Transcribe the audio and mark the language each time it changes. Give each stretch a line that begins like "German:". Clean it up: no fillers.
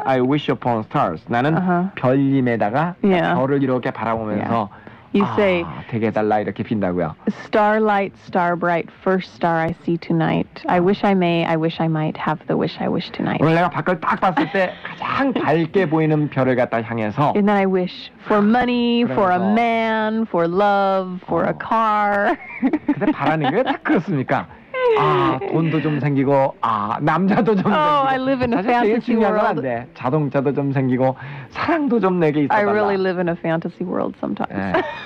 English: I wish upon stars.
Korean: 나는 별님에다가
English: yeah.
Korean: 별을 이렇게 바라보면서
English: yeah. you say,
Korean: 되게 달라 이렇게 빈다고요.
English: Starlight, star bright, first star I see tonight. I wish I may, I wish I might have the wish I wish tonight.
Korean: 오늘 내가 밖을 딱 봤을 때 가장 밝게 보이는 별을 갖다 향해서
English: And then I wish for money, for a man, for love, for a car.
Korean: 근데 바라는 게 딱 그렇습니까? 돈도 좀 생기고 남자도 좀 생기고
English: I live in a fantasy world.
Korean: 자동차도 좀 생기고 사랑도 좀 내게 있어 달라.
English: I really live in a fantasy world sometimes.